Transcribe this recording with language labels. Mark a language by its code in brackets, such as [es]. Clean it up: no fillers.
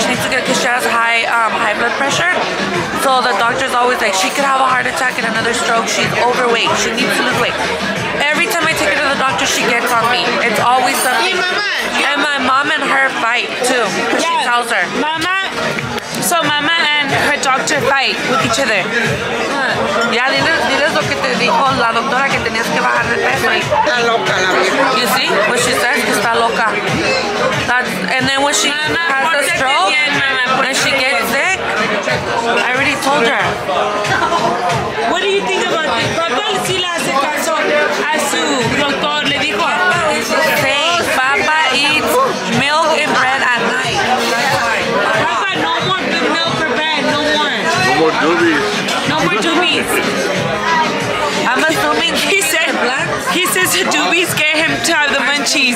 [en] She needs to get, because she has high blood pressure. So the doctor's always like, she could have a heart attack and another stroke. She's overweight. She needs to lose weight. Every time I take her to the doctor, she gets on me. It's always something. And my mom and her fight, too, because she tells her. Mama, so mama and her doctor fight with each other. [es] Ya, diles lo que te dijo la doctora, que tenías que bajar de peso. Está loca la vieja. [en] You see what she says? [es] Que está loca. [en] And then when she has a stroke, when she gets sick, I already told her. What do you think about this? [es] Papa si le hace caso a su doctor, le dijo. [en] Say, Papa eats milk and bread at night. Papa, no more milk or bread, no more. No more doobies. No more doobies. I'm assuming he said black. He says the doobies get him to have the munchies.